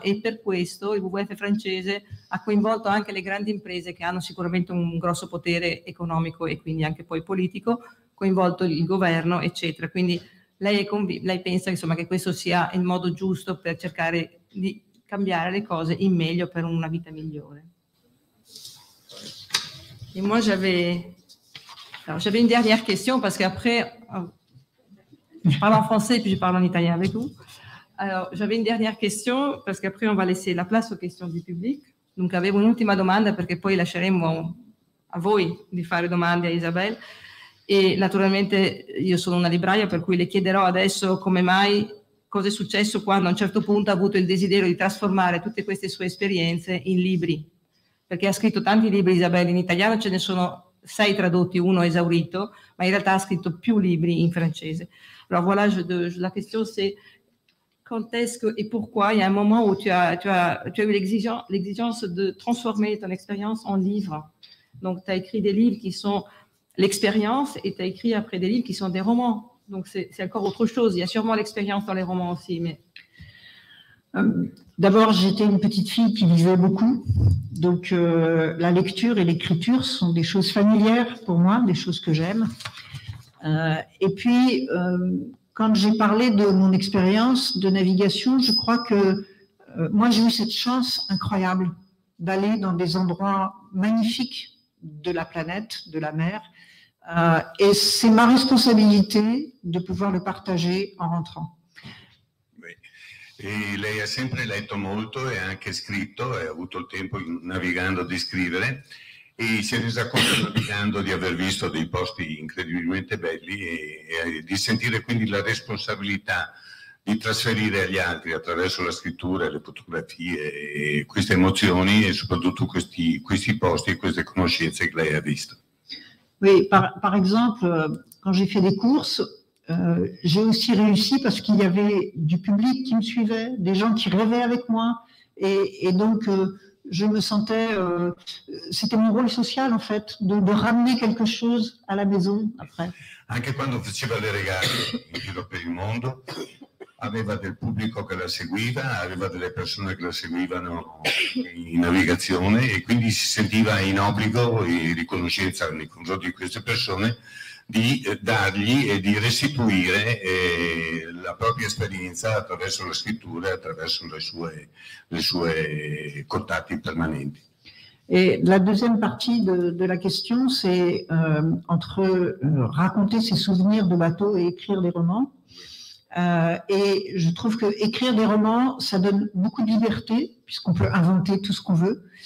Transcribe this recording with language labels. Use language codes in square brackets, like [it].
[it] E per questo il WWF francese ha coinvolto anche le grandi imprese, che hanno sicuramente un grosso potere economico e quindi anche poi politico, coinvolto il governo, eccetera. Quindi lei, lei pensa, insomma, che questo sia il modo giusto per cercare di cambiare le cose in meglio per una vita migliore. [fr] Et moi j'avais une dernière question parce qu'après je parle en français et puis je parle en italien avec vous. Alors j'avais une dernière question parce qu'après on va laisser la place aux questions du public. Donc j'avais une [it] ultima domanda perché poi lasceremo a voi di fare domande a Isabelle. E naturalmente io sono una libraia per cui le chiederò adesso come mai, cosa è successo quando a un certo punto ha avuto il desiderio di trasformare tutte queste sue esperienze in libri. Perché ha scritto tanti libri, Isabelle, in italiano ce ne sono 6 tradotti, uno esaurito, ma in realtà ha scritto più libri in francese. Allora, [fr] voilà, la question c'est quand est-ce que et pourquoi il y a un moment où tu as eu l'exigence de transformer ton expérience en livre. Donc, tu as écrit des livres qui sont l'expérience et tu as écrit après des livres qui sont des romans. Donc, c'est encore autre chose. Il y a sûrement l'expérience dans les romans aussi, mais... D'abord, j'étais une petite fille qui lisait beaucoup. Donc, la lecture et l'écriture sont des choses familières pour moi, des choses que j'aime. Quand j'ai parlé de mon expérience de navigation, je crois que moi, j'ai eu cette chance incroyable d'aller dans des endroits magnifiques de la planète, de la mer. Et c'est ma responsabilité de pouvoir le partager en rentrant. [it] E lei ha sempre letto molto e anche scritto, e ha avuto il tempo navigando di scrivere, e si è resa conto navigando di aver visto dei posti incredibilmente belli e di sentire quindi la responsabilità di trasferire agli altri attraverso la scrittura, le fotografie, e queste emozioni e soprattutto questi posti e queste conoscenze che lei ha visto. [fr] Oui, par exemple, quand j'ai fait des courses, j'ai aussi réussi parce qu'il y avait du public qui me suivait, des gens qui rêvaient avec moi. Je me sentais... c'était mon rôle social, en fait, de ramener quelque chose à la maison après. [it] Anche quando faceva le regali in giro per il mondo, aveva del pubblico che la seguiva, aveva delle persone che la seguivano in navigazione e quindi si sentiva in obbligo e riconoscenza nei confronti di queste persone di dargli e di restituire la propria esperienza attraverso la scrittura e attraverso le sue contatti permanenti. [fr] E la deuxième partie de la question, c'est entre raconter ses souvenirs de bateau et écrire des romans. Et je trouve que écrire des romans, ça donne beaucoup de liberté, puisqu'on peut inventer tout ce qu'on veut.